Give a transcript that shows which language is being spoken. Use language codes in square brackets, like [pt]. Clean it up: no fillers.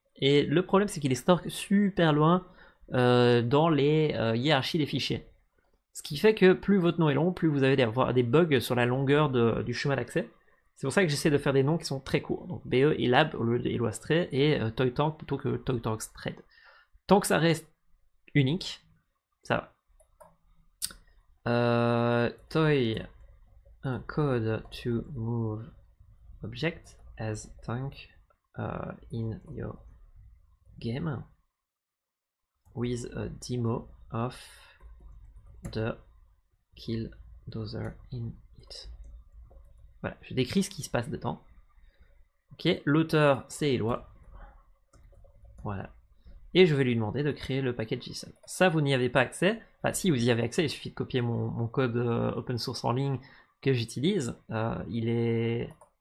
[fr] Et le problème, c'est qu'il les stocke super loin dans les hiérarchies des fichiers. Ce qui fait que plus votre nom est long, plus vous allez avoir des bugs sur la longueur du chemin d'accès. C'est pour ça que j'essaie de faire des noms qui sont très courts. Donc BE et lab au lieu d'illustrer et toy tank plutôt que toy tank thread. Tant que ça reste unique, ça va. [en] Toy un code to move object as tank in your game with a demo of the kill dozer in it. [fr] Voilà, je décris ce qui se passe dedans. Ok, l'auteur c'est Eloi. Voilà. Et je vais lui demander de créer le package JSON. Ça, vous n'y avez pas accès. Ah, si vous y avez accès, il suffit de copier mon code open source en ligne que j'utilise. Il est.